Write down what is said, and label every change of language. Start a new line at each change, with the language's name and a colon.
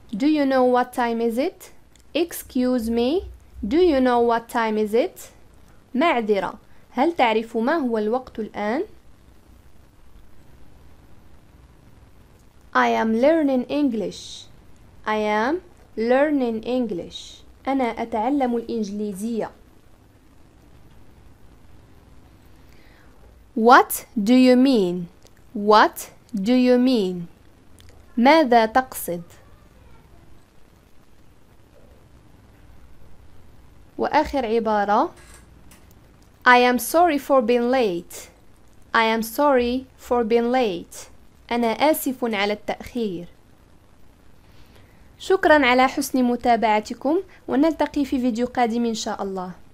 English: Do you know what time is it? Excuse me. Do you know what time is it?
Arabic: معذرة. هل تعرف ما هو الوقت الآن؟
English: I am learning English. I am learning English.
Arabic: أنا أتعلم الإنجليزية.
English: What do you mean? What do you mean?
Arabic: ماذا تقصد؟ وآخر عبارة.
English: I am sorry for being late. I am sorry for being late.
Arabic: أنا آسف على التأخير. شكرا على حسن متابعتكم ونلتقي في فيديو قادم إن شاء الله.